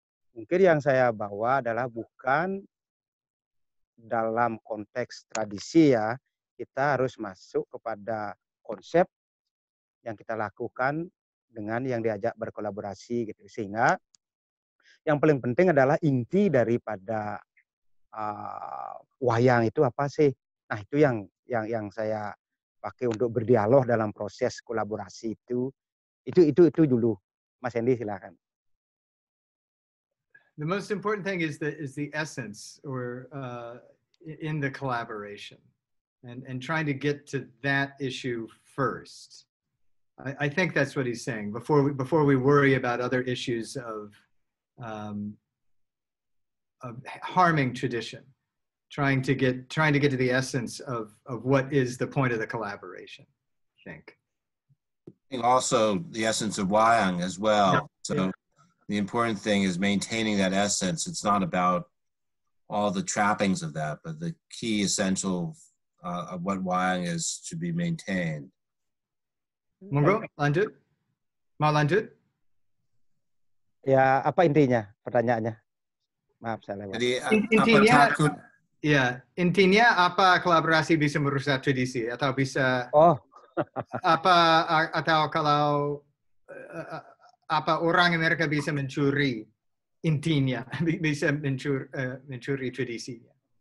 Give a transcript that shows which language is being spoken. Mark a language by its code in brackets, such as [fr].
[id] Mungkin yang saya bawa adalah bukan dalam konteks tradisi ya, kita harus masuk kepada konsep yang kita lakukan dengan yang diajak berkolaborasi gitu. Sehingga yang paling penting adalah inti daripada wayang itu apa sih? Nah, itu yang saya pakai untuk berdialog dalam proses kolaborasi itu. Itu dulu. Mas Hendy, silakan. [en] The most important thing is the essence or in the collaboration and trying to get to that issue first. I think that's what he's saying before we worry about other issues of harming tradition, trying to get to the essence of what is the point of the collaboration, I think. And also the essence of wayang as well. Yeah. So yeah. The important thing is maintaining that essence. It's not about all the trappings of that, but the key essential of what wayang is to be maintained. [id] Monggo, lanjut. Mau lanjut? Ya, apa intinya pertanyaannya? Maaf, saya lewat. Jadi, intinya, ya, intinya apa kolaborasi bisa merusak tradisi atau bisa apa atau kalau apa orang Amerika bisa mencuri intinya, bisa mencuri tradisinya.